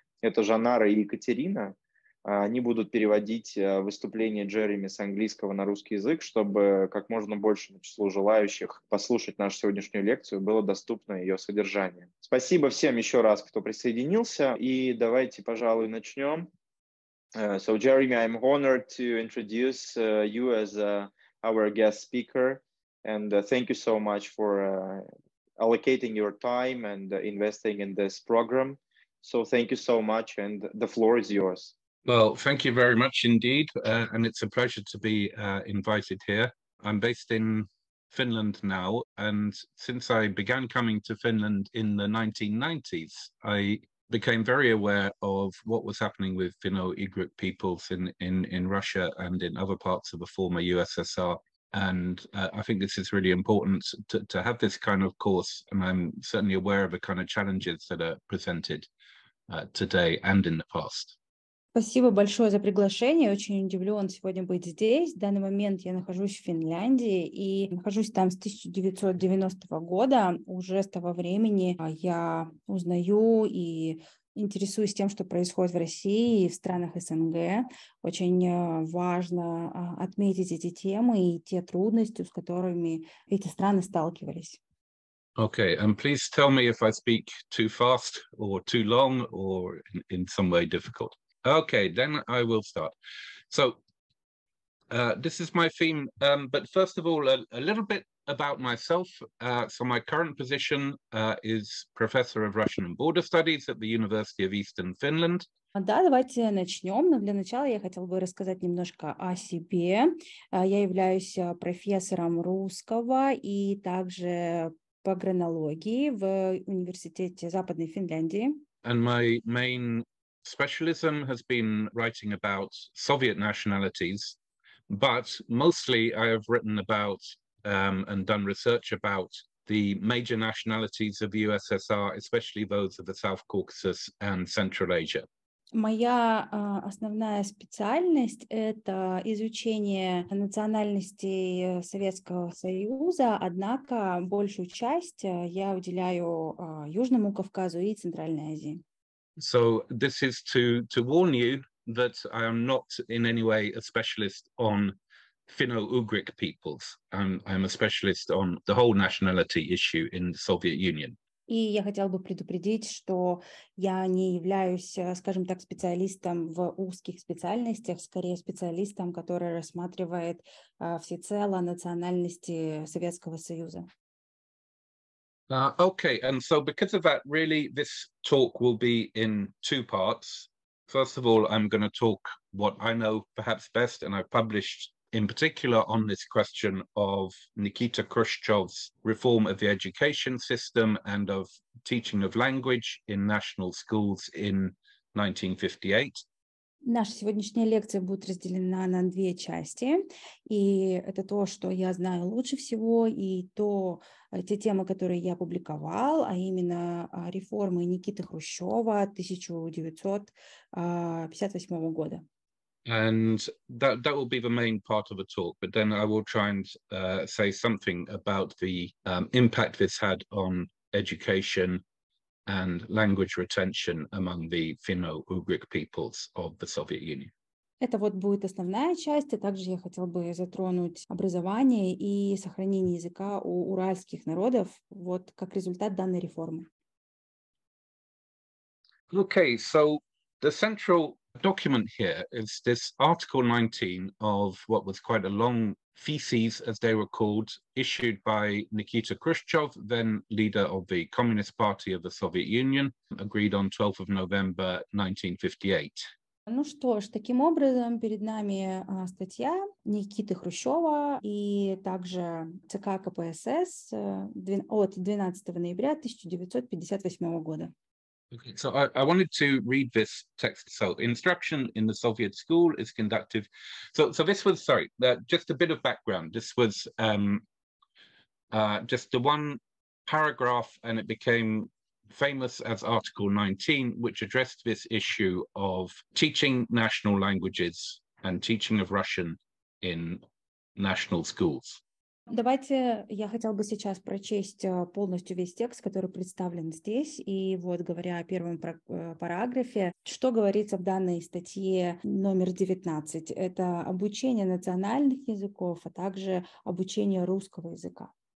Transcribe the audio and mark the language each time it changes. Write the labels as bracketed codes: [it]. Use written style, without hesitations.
[ru] Это Жанара и Екатерина. Они будут переводить выступление Джереми с английского на русский язык, чтобы как можно большему числу желающих послушать нашу сегодняшнюю лекцию было доступно ее содержание. Спасибо всем еще раз, кто присоединился, и давайте, пожалуй, начнем. [en] So, Jeremy, I'm honored to introduce you as our guest speaker, and thank you so much for allocating your time and investing in this program. So, thank you so much, and the floor is yours. Well, thank you very much indeed, and it's a pleasure to be invited here. I'm based in Finland now, and since I began coming to Finland in the 1990s, I became very aware of what was happening with Finno-Ugric peoples in Russia and in other parts of the former USSR. And I think this is really important to have this kind of course, and I'm certainly aware of the kind of challenges that are presented today and in the past. [ru] Спасибо большое за приглашение. Очень удивлен сегодня быть здесь. В данный момент я нахожусь в Финляндии и нахожусь там с 1990 года. Уже с того времени я узнаю и интересуюсь тем, что происходит в России и в странах СНГ. Очень важно отметить эти темы и те трудности, с которыми эти страны сталкивались. [en] Okay, and please tell me if I speak too fast or too long or in some way difficult. Okay, then I will start. So this is my theme, but first of all, a little bit about myself. So my current position is professor of Russian and Border Studies at the University of Eastern Finland. [ru] Да, давайте начнем. Но для начала я хотела бы рассказать немножко о себе. Я являюсь профессором русского и также погранологии в Университете Западной Финляндии. [en] And my main specialism has been writing about Soviet nationalities, but mostly I have written about and done research about the major nationalities of the USSR, especially those of the South Caucasus and Central Asia. [ru] Моя основная специальность — это изучение национальностей Советского Союза, однако большую часть я уделяю Южному Кавказу и Центральной Азии. [en] So this is to warn you that I am not in any way a specialist on Finno-Ugric peoples. I'm a specialist on the whole nationality issue in the Soviet Union. [ru] И я хотела бы предупредить, что я не являюсь, скажем так, специалистом в узких специальностях, скорее специалистом, который рассматривает всецело национальности Советского Союза. [en] Okay, and so because of that, really, this talk will be in two parts. First of all, I'm going to talk what I know perhaps best, and I've published in particular on this question of Nikita Khrushchev's reform of the education system and of teaching of language in national schools in 1958. [ru] Наша сегодняшняя лекция будет разделена на две части, и это то, что я знаю лучше всего, и то, те темы, которые я публиковал, а именно реформы Никиты Хрущева 1958 года. [en] And that will be the main part of the talk, but then I will try and say something about the impact this had on education and language retention among the Finno-Ugric peoples of the Soviet Union. [ru] Это вот будет основная часть, а также я хотел бы затронуть образование и сохранение языка у уральских народов, вот как результат данной реформы. [en] Okay, so the central document here is this Article 19 of what was quite a long theses, as they were called, issued by Nikita Khrushchev, then leader of the Communist Party of the Soviet Union, agreed on 12th of November 1958. [ru] Ну что ж, таким образом перед нами статья Никиты Хрущева и также ЦК КПСС от 12 ноября 1958 года. [en] Okay, so I wanted to read this text. So instruction in the Soviet school is conducted. So this was, sorry, just a bit of background. This was just the one paragraph, and it became famous as Article 19, which addressed this issue of teaching national languages and teaching of Russian in national schools. [ru] Давайте я хотел бы сейчас прочесть полностью весь текст, который представлен здесь. И вот говоря о первом параграфе, что говорится в данной статье номер 19? Это обучение национальных языков, а также обучение русского языка.